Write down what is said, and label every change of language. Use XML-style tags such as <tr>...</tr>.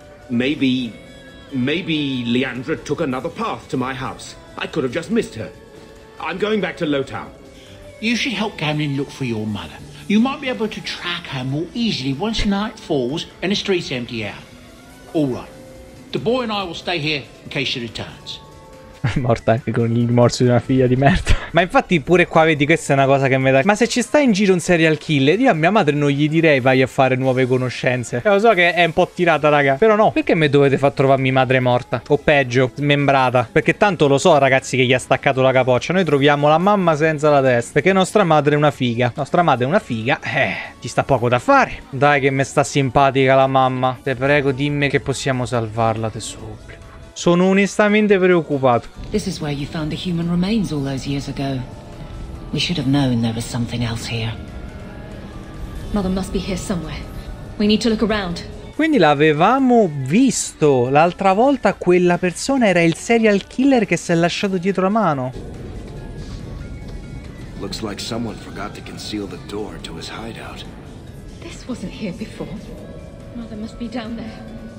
<en>Maybe Leandra took another path to my house. I could have just missed her. I'm going back to Lowtown. You should help Gamlin look for your mother. You might be able to track her more easily once night falls and the streets empty out. All right. The boy and I will stay here in case she returns.</en> <it>Morta anche con il morso di una figlia di merda. Ma infatti pure qua vedi, questa è una cosa che mi dà. Ma se ci sta in giro un serial killer, io a mia madre non gli direi vai a fare nuove conoscenze. Lo so che è un po' tirata, raga, però no. Perché mi dovete far trovare mia madre morta? O peggio, smembrata? Perché tanto lo so, ragazzi, che gli ha staccato la capoccia. Noi troviamo la mamma senza la testa. Perché nostra madre è una figa. Nostra madre è una figa. Ci sta poco da fare. Dai che mi sta simpatica la mamma. Te prego, dimmi che possiamo salvarla adesso. Sono onestamente preoccupato.</it> <en>This is where you found the human remains all those years ago. We should have known there was something else here. Mother must be here somewhere. We need to look around.</en> <it>Quindi l'avevamo visto l'altra volta, quella persona era il serial killer che si è lasciato dietro la mano.</it> <en>Looks like someone forgot to conceal the door to his hideout. This wasn't here before. Mother must be down there.</en>